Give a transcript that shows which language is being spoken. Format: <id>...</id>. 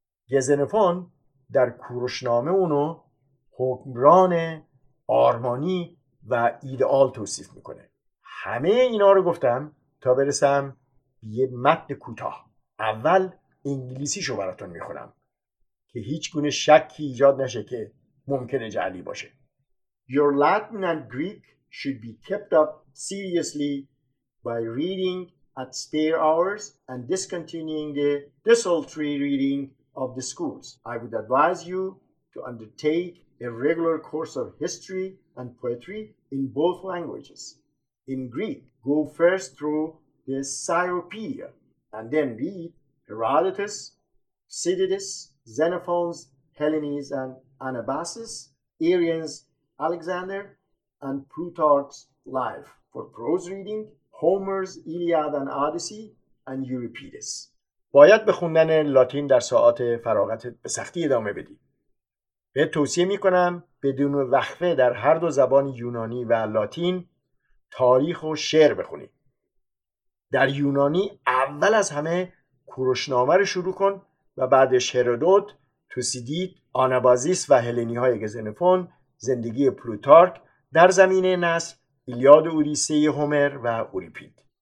<fa>گزنفون در کوروشنامه اونو حکمران آرمانی و ایدئال توصیف میکنه. همه اینا رو گفتم تا برسم یه متن کوتاه. اول انگلیسیشو براتون میخونم که هیچ گونه شکی ایجاد نشه که ممکنه جعلی باشه.</fa> <en>Your Latin and Greek should be kept up seriously by reading at spare hours and discontinuing the desultory reading of the schools. I would advise you to undertake a regular course of history and poetry in both languages. In Greek, go first through the Cyropaedia and then read Herodotus, Thucydides, Xenophon's, Hellenes and Anabasis, Arrian's Alexander, and Plutarch's Life. For prose reading, Homer's Iliad and Odyssey and Euripides.</en> <fa>باید به خوندن لاتین در ساعات فراغتت به سختی ادامه بدی. به توصیه می کنم بدون وقفه در هر دو زبان یونانی و لاتین تاریخ و شعر بخونی. در یونانی اول از همه کوروشنامه رو شروع کن و بعدش هرودوت، توسیدید، آنابازیس و هلنی های گزنفون، زندگی پلوتارک، در زمینه نثر ایلیاد و اودیسه هومر و اوریپید.</fa>